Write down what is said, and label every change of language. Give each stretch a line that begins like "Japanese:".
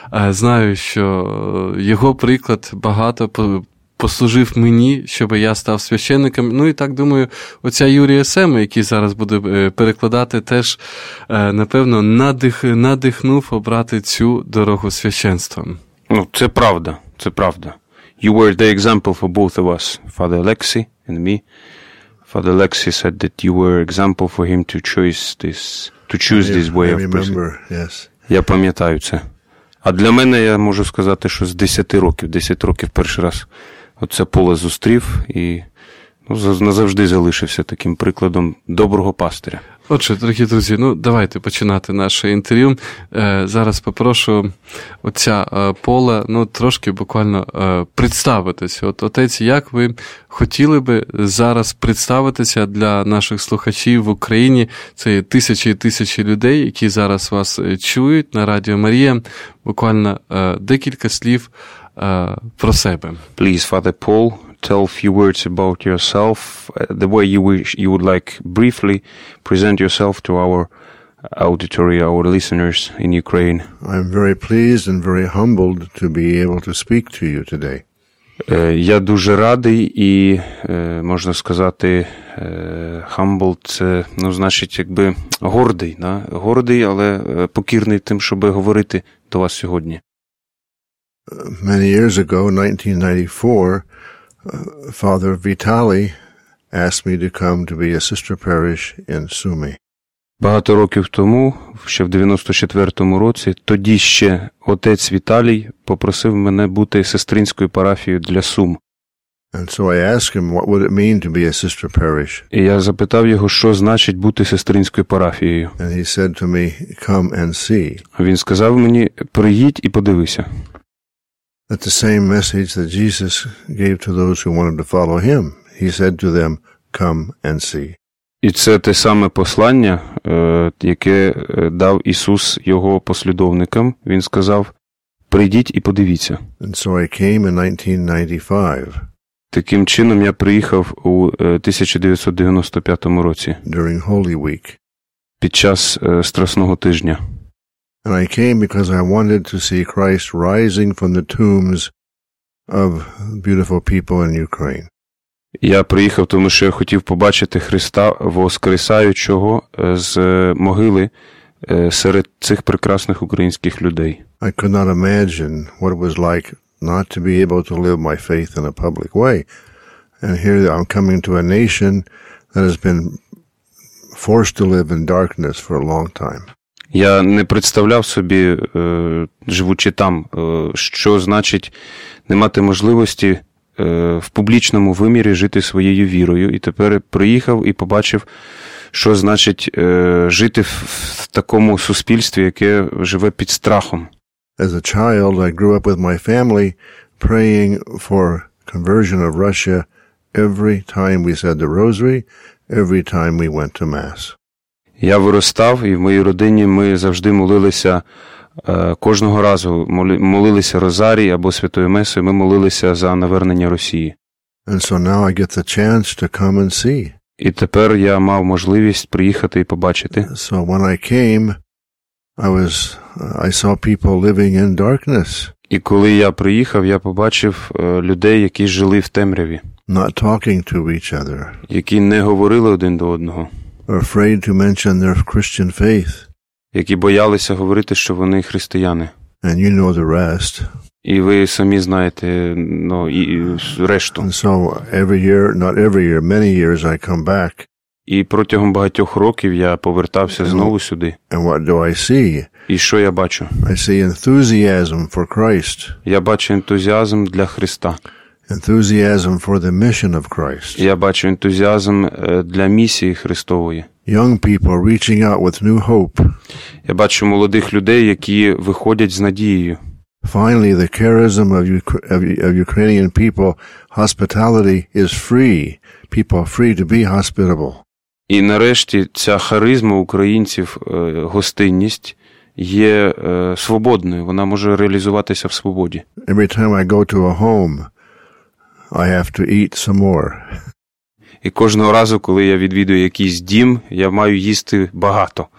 Ukrainian: Знаю, що його приклад багато послужив мені, щоб я став священником. Ну і так, думаю, отця Юрія Сема, який зараз буде перекладати, теж, напевно, надихнув обрати цю дорогу священства. Ну, це правда, це правда.
English: You were the example for both of us, Father Alexei and me. Father Alexei said that you were example for him to choose this way of preaching. I remember, yes.
Ukrainian: Я пам'ятаю це. А для мене, я можу сказати, що з 10 років перший раз отця Пола зустрів і назавжди залишився таким прикладом доброго пастиря. Отже, дорогі друзі, ну давайте починати наше інтерв'ю. Зараз попрошу отця Пола, ну, трошки буквально представитися. От отець, як ви хотіли би зараз представитися для наших слухачів в Україні? Це є тисячі і тисячі людей, які зараз вас чують на Радіо Марія. Буквально декілька слів про себе.
English: Please, Father Paul, tell a few words about yourself, the way you wish you would like briefly present yourself to our auditory, our listeners in Ukraine. I'm very pleased and very humbled to be able to speak to you today.
Ukrainian: Я дуже радий і можна сказати humbled, ну, значить, якби гордий, да? Гордий, але покірний тим, щоб говорити до вас сьогодні.
English: Many years ago, 1994, Father Vitali asked me to come to be a sister parish in Sumy.
Ukrainian: Багато років тому, ще в 94-му році, тоді ще отець Віталій попросив мене бути сестринською парафією для Сум.
English: And so I asked him, what would it mean to be a sister parish?
Ukrainian: І я запитав його, що значить бути сестринською парафією.
English: And he said to me, come and see.
Ukrainian: Він сказав мені, приїдь і подивися.
English: That's the same message that Jesus gave to those who wanted to follow him. He said to them, come and see.
Ukrainian: І це те саме послання, яке дав Ісус його послідовникам. Він сказав, прийдіть і подивіться.
English: And so I came in 1995.
Ukrainian: Таким чином я приїхав у 1995 році.
English: During Holy Week.
Ukrainian: Під час Страсного тижня.
English: And I came because I wanted to see Christ rising from the tombs of beautiful people in Ukraine.
Ukrainian: Я приїхав, тому що я хотів побачити Христа воскресаючого з могили серед цих прекрасних українських людей.
English: I could not imagine what it was like not to be able to live my faith in a public way. And here I'm coming to a nation that has been forced to live in darkness for a long time.
Ukrainian: Я не представляв собі, живучи там, що значить не мати можливості в публічному вимірі жити своєю вірою. І тепер приїхав і побачив, що значить жити в такому суспільстві, яке живе під страхом.
English: As a child, I grew up with my family praying for conversion of Russia every time we said the rosary, every time we went to mass.
Ukrainian: Я виростав, і в моїй родині ми завжди молилися, кожного разу молилися Розарій або Святою Месою, ми молилися за навернення Росії.
English: And so now I get the chance to come and see.
Ukrainian: І тепер я мав можливість приїхати і побачити.
English: So when I came, I saw people living in darkness.
Ukrainian: І коли я приїхав, я побачив людей, які жили в темряві.
English: Not talking to each other.
Ukrainian: Які не говорили один до одного.
English: Afraid to mention their Christian faith.
Ukrainian: Які боялися говорити, що вони християни.
English: And you know the rest.
Ukrainian: І ви самі знаєте, ну, і решту.
English: And so every year, not every year, many years I come back.
Ukrainian: І протягом багатьох років я повертався знову сюди.
English: And what do I see?
Ukrainian: І що я бачу?
English: I see enthusiasm for Christ.
Ukrainian: Я бачу ентузіазм для Христа.
English: Enthusiasm for the mission of Christ.
Ukrainian: Я бачу ентузіазм для місії Христової.
English: Young people reaching out with new hope.
Ukrainian: Я бачу молодих людей, які виходять з надією.
English: Finally, the charism of Ukrainian people, hospitality is free. People are free to be hospitable.
Ukrainian: І нарешті ця харизма українців, гостинність, є свободною. Вона може реалізуватися в свободі.
English: Every time I go to a home, I have to eat some more.
Ukrainian: І кожного разу, коли я відвідую якийсь дім, я маю їсти багато.